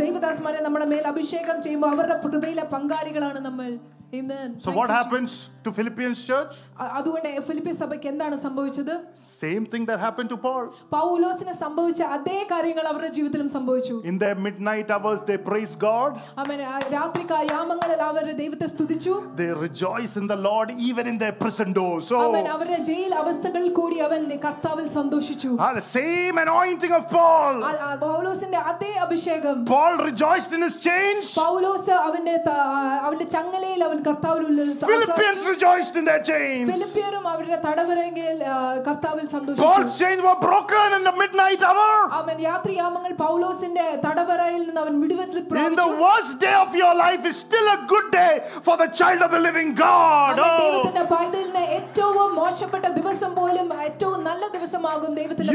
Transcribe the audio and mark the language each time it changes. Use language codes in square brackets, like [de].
[ml] ദൈവദാസ്മാരെ നമ്മുടെ മേൽ അഭിഷേകം ചെയ്യുമ്പോൾ അവരുടെ കൃപയിലെ പങ്കാളികളാണ് നമ്മൾ Amen. [en] So what happens to Philippians church? [ml] അതുകൊണ്ട് ഫിലിപ്പി സഭയ്ക്ക് എന്താണ് സംഭവിച്ചത്? [en] Same thing that happened to Paul. [ml] പൗലോസിനെ സംബന്ധിച്ച അതേ കാര്യങ്ങൾ അവരുടെ ജീവിതത്തിലും സംഭവിച്ചു. [en] In the midnight hours they praise God. [ml] അമേ രാത്രി കാലയാമങ്ങളിൽ അവർ ദൈവത്തെ സ്തുതിച്ചു. [en] They rejoice in the Lord even in their prison doors. [ml] അമേ അവരുടെ ജയിൽ അവസ്ഥകളിൽ കൂടി അവൻ കർത്താവിൽ സന്തോഷിച്ചു. [en] The same anointing of Paul. [ml] പൗലോസിന്റെ അതേ അഭിഷേകം. [en] Paul rejoiced in his chains. [ml] പൗലോസ് അവന്റെ ചങ്ങലയിൽ [en] Philippians rejoiced in their chains. [ml] ഫിലിപ്പിയരും അവരുടെ തടവറയിൽ കർത്താവിൽ സന്തോഷിച്ചു. [en] Paul's chains were broken in the midnight hour. [ml] അമേൻ യാത്രിയാമങ്ങൾ പൗലോസിന്റെ തടവറയിൽ നിന്ന് അവൻ വിടുവിച്ചു പ്രാപിച്ചു. [en] In the worst day of your life is still a good day for the child of the living God. [ml] ദൈവത്തിന്റെ പൈതലിനെ ഏറ്റവും മോശപ്പെട്ട ദിവസം പോലും ഏറ്റവും നല്ല ദിവസമാകും ദൈവത്തിന്റെ